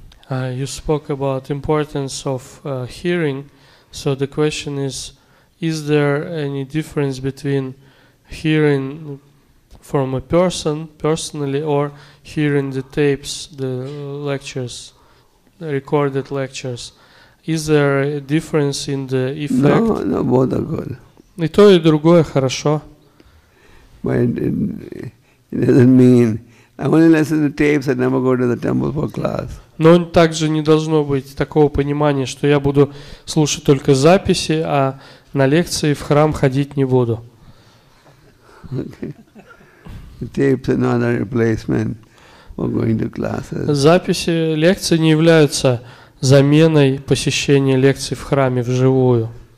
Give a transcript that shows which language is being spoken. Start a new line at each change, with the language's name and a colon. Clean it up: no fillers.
English: You spoke about importance of hearing, so the question is there any difference between hearing from a person personally or hearing the tapes, the lectures, the recorded lectures? Is there a difference in the effect? No, both are good.
Russian: И то, и другое хорошо.
English: But it doesn't mean I only listen to tapes and never go to the temple for class.
Russian: Но также не должно быть такого понимания, что я буду слушать только записи, а на лекции в храм ходить не буду.
English: Okay. Tapes are not a replacement for going to classes.
Russian: Записи лекции не являются заменой посещения лекций в храме вживую.